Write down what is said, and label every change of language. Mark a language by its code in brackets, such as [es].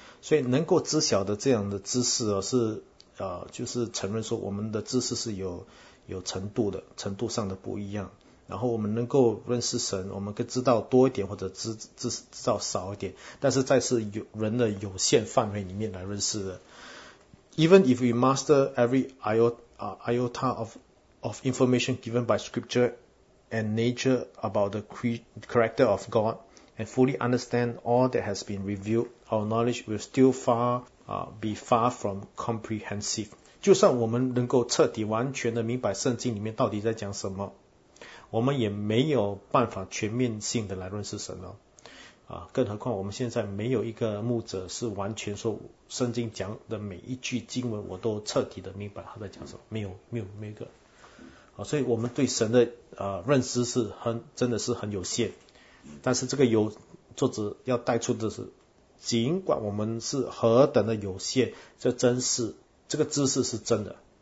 [zh] 所以能够知晓的这样的知识啊，是就是承认说我们的知识是有程度的，程度上的不一样。然后我们能够认识神，我们可以知道多一点或者知道少一点，但是在是人的有限范围里面来认识的。 [en] Even if we master every iota of information given by scripture and nature about the character of God and fully understand all that has been revealed, our knowledge will still be far from comprehensive. [zh] 就算我们能够彻底完全的明白圣经里面到底在讲什么，我们也没有办法全面性的来认识神了，更何况我们现在没有一个牧者是完全说圣经讲的每一句经文我都彻底的明白他在讲什么，没有一个，所以我们对神的认知是真的是很有限，但是这个有作者要带出的是，尽管我们是何等的有限，这个知识是真的。